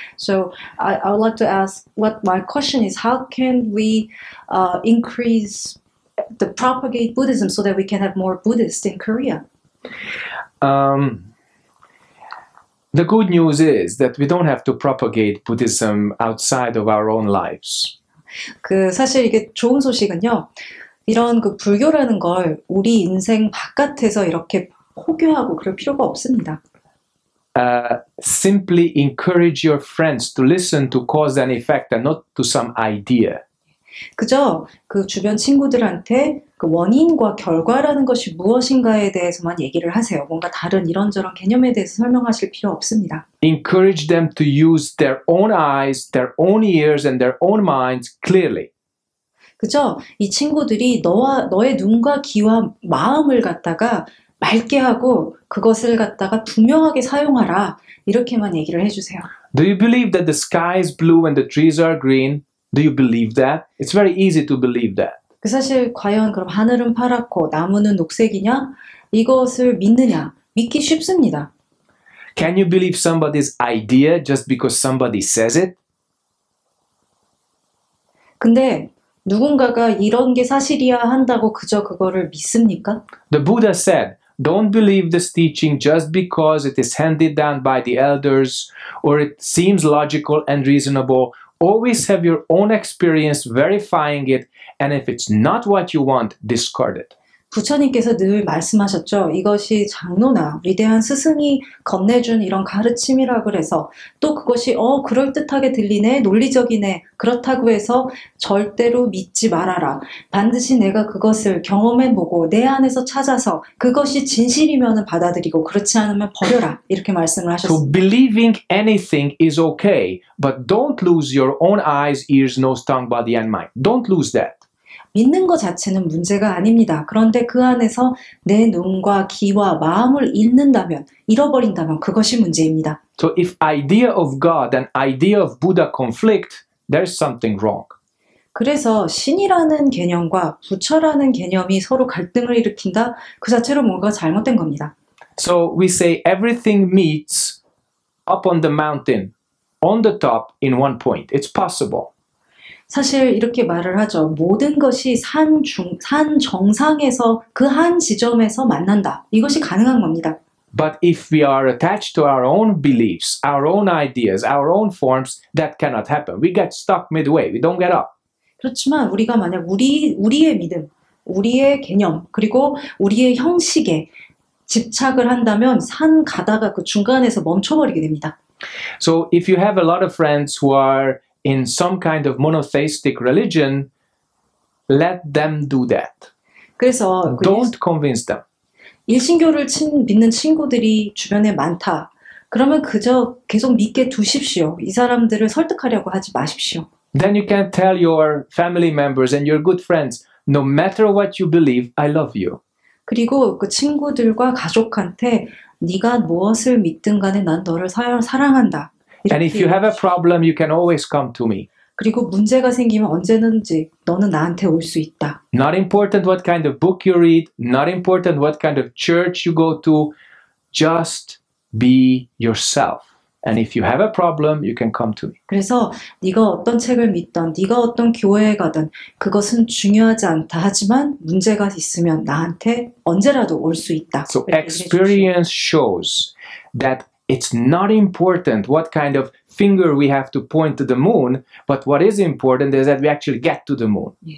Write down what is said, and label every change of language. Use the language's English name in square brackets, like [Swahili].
[English] So I would like to ask, what my question is, how can we increase the propagate Buddhism so that we can have more Buddhists in Korea? The good news is that we don't have to propagate Buddhism outside of our own lives. [Korean] 그 사실 이게 좋은 소식은요. 이런 그 불교라는 걸 우리 인생 바깥에서 이렇게 포교하고 그럴 필요가 없습니다. [English] Simply encourage your friends to listen to cause and effect and not to some idea. [Korean] 그저 그 주변 친구들한테 그 원인과 결과라는 것이 무엇인가에 대해서만 얘기를 하세요. 뭔가 다른 이런저런 개념에 대해서 설명하실 필요 없습니다. [English] Encourage them to use their own eyes, their own ears and their own minds clearly. [Korean] 그저 이 친구들이 너의 눈과 귀와 마음을 갖다가 맑게 하고 그것을 갖다가 분명하게 사용하라 이렇게만 얘기를 해 주세요. [English] Do you believe that the sky is blue and the trees are green? Do you believe that? It's very easy to believe that. [Korean] 그 사실 과연 그럼 하늘은 파랗고 나무는 녹색이냐? 이것을 믿느냐? 믿기 쉽습니다. [English] Can you believe somebody's idea just because somebody says it? [Korean] 근데 누군가가 이런 게 사실이야 한다고 그저 그거를 믿습니까? [English] The Buddha said, don't believe this teaching just because it is handed down by the elders or it seems logical and reasonable. Always have your own experience verifying it, and if it's not what you want, discard it. [Korean] 부처님께서 늘 말씀하셨죠. 이것이 장로나 위대한 스승이 건네준 이런 가르침이라 그래서 또 그것이 그럴듯하게 들리네, 논리적이네, 그렇다고 해서 절대로 믿지 말아라. 반드시 내가 그것을 경험해보고 내 안에서 찾아서 그것이 진실이면 받아들이고 그렇지 않으면 버려라. 이렇게 말씀을 하셨습니다. [English] So believing anything is okay, but don't lose your own eyes, ears, nose, tongue, body, and mind. Don't lose that. [Korean] 믿는 것 자체는 문제가 아닙니다. 그런데 그 안에서 내 눈과 귀와 마음을 잃는다면, 잃어버린다면 그것이 문제입니다. [English] So if idea of God and idea of Buddha conflict, there's something wrong. [Korean] 그래서 신이라는 개념과 부처라는 개념이 서로 갈등을 일으킨다? 그 자체로 뭔가 잘못된 겁니다. [English] So we say everything meets up on the mountain, on the top, in one point. It's possible. [Korean] 사실 이렇게 말을 하죠. 모든 것이 산 정상에서 그 한 지점에서 만난다. 이것이 가능한 겁니다. [English] But if we are attached to our own beliefs, our own ideas, our own forms, that cannot happen. We get stuck midway. We don't get up. [Korean] 그렇지만 우리가 만약 우리의 믿음, 우리의 개념, 그리고 우리의 형식에 집착을 한다면 산 가다가 그 중간에서 멈춰버리게 됩니다. [English] So if you have a lot of friends who are in some kind of monotheistic religion, let them do that. [Korean] 그래서 [English] don't convince them. [Korean] 일신교를 믿는 친구들이 주변에 많다. 그러면 그저 계속 믿게 두십시오. 이 사람들을 설득하려고 하지 마십시오. [English] Then you can tell your family members and your good friends, no matter what you believe, I love you. [Korean] 그리고 그 친구들과 가족한테 네가 무엇을 믿든 간에 난 너를 사랑한다. [English] And if you have a problem, you can always come to me. [Korean] 그리고 문제가 생기면 언제든지 너는 나한테 올 수 있다. [English] Not important what kind of book you read, not important what kind of church you go to, just be yourself. And if you have a problem, you can come to me. [Korean] 그래서 네가 어떤 책을 믿던, 네가 어떤 교회에 가든 그것은 중요하지 않다. 하지만 문제가 있으면 나한테 언제라도 올 수 있다. [English] So experience shows that it's not important what kind of finger we have to point to the moon, but what is important is that we actually get to the moon.